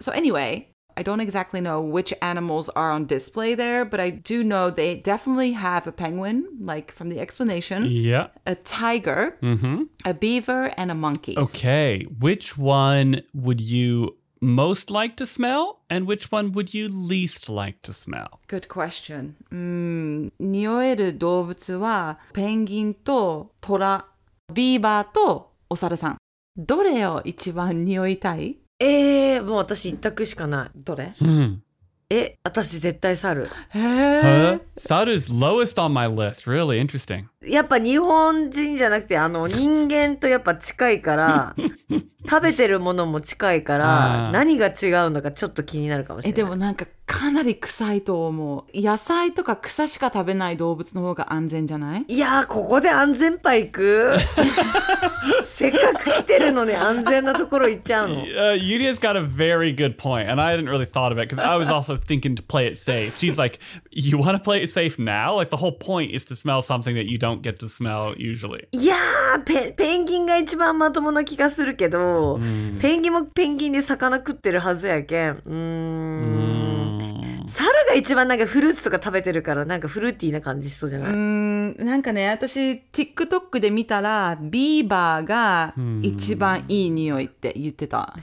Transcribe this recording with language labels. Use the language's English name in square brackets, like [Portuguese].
[English] So anyway... I don't exactly know which animals are on display there, but I do know they definitely have a penguin, like from the explanation. Yeah. A tiger, a beaver, and a monkey. Okay. Which one would you most like to smell? And which one would you least like to smell? Good question. [Japanese] 匂える動物はペンギンとトラ、ビーバーとお猿さん。どれを一番匂いたい？もう私一択しかない。どれ？私絶対猿。 [English] 猿is lowest on my list. Really interesting. [Japanese] やっぱ日本人じゃなくて、人間とやっぱ近いから、食べてるものも近いから、何が違うのかちょっと気になるかもしれない。でもなんかかなり臭いと思う。野菜とか草しか食べない動物の方が安全じゃない？いやー、ここで安全パイ行く？せっかく来てるのに安全なところ行っちゃうの。 [English] Yuria's got a very good point, and I hadn't really thought of it, because I was also thinking to play it safe. She's like, you want to play it safe now? Like, the whole point is to smell something that you don't get to smell usually. [Japanese] いやー、ペンギンが一番まともな気がするけど、ペンギンもペンギンで魚食ってるはずやけん。猿が一番なんかフルーツとか食べてるからなんかフルーティーな感じしそうじゃない？なんかね、私 TikTok で見たらビーバーが一番いい匂いって言ってた。